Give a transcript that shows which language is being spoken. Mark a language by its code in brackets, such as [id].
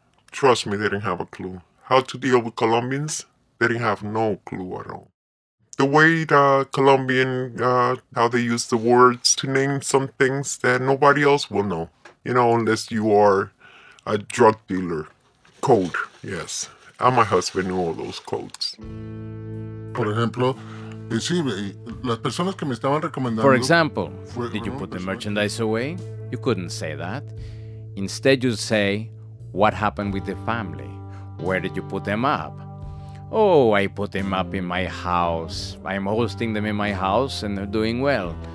[en] Trust me, they didn't have a clue. How to deal with Colombians? They didn't have no clue at all. The way the Colombian, how they use the words to name some things that nobody else will know. You know, unless you are a drug dealer. Code, yes. And my husband knew all those codes. [es] Por ejemplo, las personas que me estaban recomendando. [en] For example, did you put the merchandise away? You couldn't say that. Instead, you say, what happened with the family? Where did you put them up? Oh, I put them up in my house. I'm hosting them in my house and they're doing well.